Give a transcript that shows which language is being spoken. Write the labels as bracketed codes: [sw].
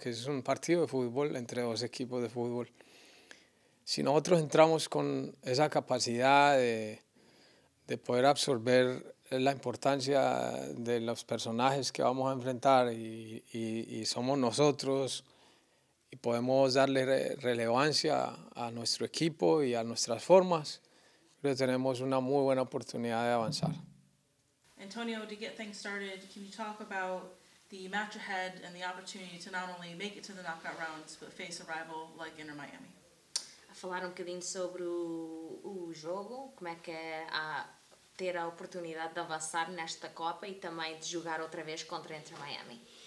[es] Que es un partido de fútbol entre dos equipos de fútbol. Si nosotros entramos con esa capacidad de poder absorber la importancia de los personajes que vamos a enfrentar y somos nosotros y podemos darle relevancia a nuestro equipo y a nuestras formas, creo que tenemos una muy buena oportunidad de avanzar. [en] Antonio, to get things started, can you talk about the match ahead and the opportunity to not only make it to the knockout rounds, but face a rival like Inter Miami? [pt] Falar um bocadinho sobre o jogo, como é que é ter a oportunidade de avançar nesta Copa e também de jogar outra vez contra Inter Miami.